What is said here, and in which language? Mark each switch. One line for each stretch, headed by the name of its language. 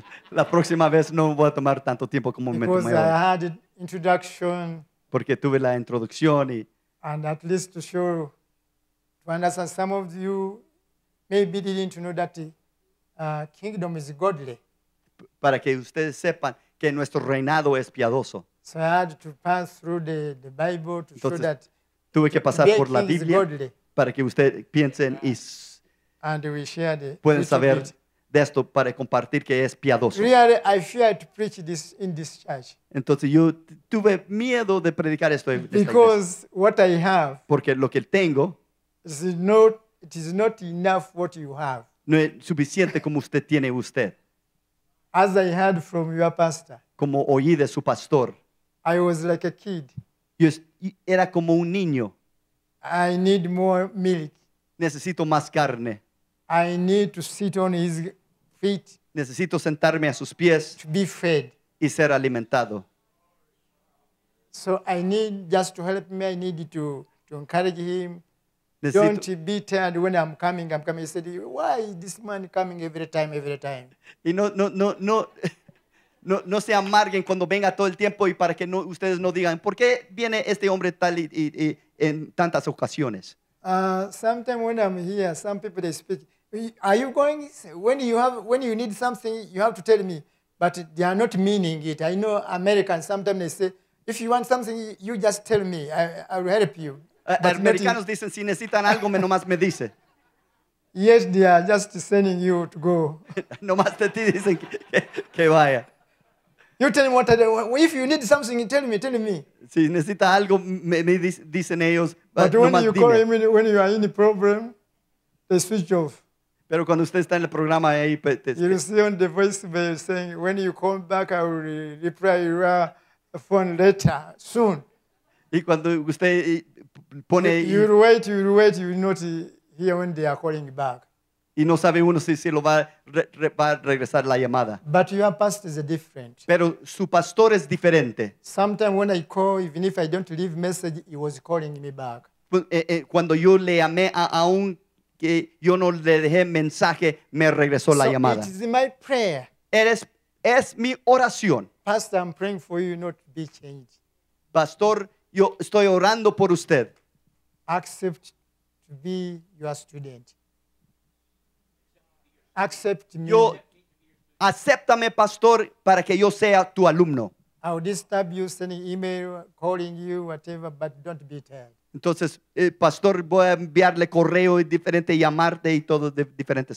Spanish: La próxima vez no voy a tomar tanto tiempo como me tomé. Porque tuve la introducción y.
English: And at least to show, to understand some of you, maybe didn't know that the kingdom is godly.
Spanish: Para que ustedes sepan que nuestro reinado es piadoso.
English: So I had to pass through the Bible to
Spanish: entonces,
English: show that.
Spanish: Tuve que pasar por la Biblia para que ustedes piensen
English: and we shared
Spanish: pueden saber. De esto para compartir que es piadoso.
English: Really, I feared to preach this in this church.
Spanish: Entonces yo tuve miedo de predicar esto.
English: Because what I have.
Spanish: Porque lo que tengo.
English: It is not enough what you have.
Spanish: No es suficiente como usted tiene usted.
English: As I heard from your pastor.
Spanish: Como oí de su pastor.
English: I was like a kid.
Spanish: Yo era como un niño.
English: I need more milk.
Spanish: Necesito más carne.
English: I need to sit on his feet.
Spanish: Necesito sentarme a sus pies.
English: To be fed.
Spanish: Y ser alimentado.
English: So I need just to help me. I need to encourage him. Don't be tired when I'm coming. I'm coming. He said, why is this man coming every time?
Spanish: Y no se amarguen cuando venga todo el tiempo y para que ustedes no digan, ¿por qué viene este hombre tal y en tantas ocasiones?
English: Sometimes when I'm here, some people they speak. Are you going? When you need something, you have to tell me. But they are not meaning it. I know Americans. Sometimes they say, if you want something, you just tell me. I will help you.
Spanish: Americanos dicen si necesitan algo me nomás me dice.
English: Yes, they are just sending you to go.
Spanish: Nomás te dicen que vaya.
English: You tell me what I do. If you need something, you tell me. Tell me.
Spanish: Si necesita algo, me dicen ellos.
English: But when you call him, when you are in a problem, they switch off.
Spanish: Pero cuando usted está en el programa ahí,
English: you see on the voicemail saying, when you come back, I will reply your phone later, soon.
Spanish: Y cuando usted pone ahí.
English: You wait. You not hear when they are calling back.
Spanish: Y no sabe uno si lo va a regresar la llamada.
English: But your pastor is different.
Spanish: Pero su pastor es diferente.
English: Sometimes when I call, even if I don't leave message, he was calling me back.
Spanish: Cuando yo le llamé aún que yo no le dejé mensaje, me regresó la llamada.
English: So it is my prayer.
Spanish: Es mi oración.
English: Pastor, I'm praying for you not to be changed.
Spanish: Pastor, yo estoy orando por usted.
English: Accept to be your student. Accept me.
Spanish: Yo, acéptame, pastor, para que yo sea tu alumno.
English: I will disturb you, sending email, calling you, whatever, but don't be tired.
Spanish: Entonces, pastor, voy a enviarle correo y diferente, llamarte y todo de diferentes